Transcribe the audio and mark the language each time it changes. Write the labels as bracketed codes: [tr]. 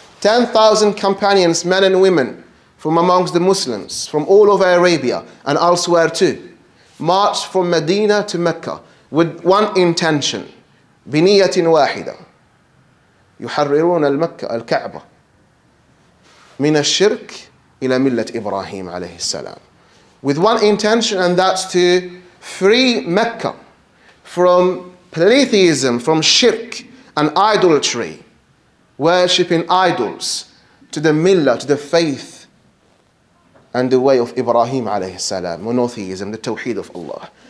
[en] 10,000 companions, men and women, from amongst the Muslims, from all over Arabia and elsewhere too, marched from Medina to Mecca with one intention, [ar] biniyatin wahida, yuharriruna al-Makkah, al-Ka'bah, min al-shirk إلى ملة إبراهيم عليه السلام. [en] With one intention, and that's to free Mecca from polytheism, from shirk and idolatry, worshipping idols, to the millah, to the faith and the way of Ibrahim alayhi salam, monotheism, the tawheed of Allah.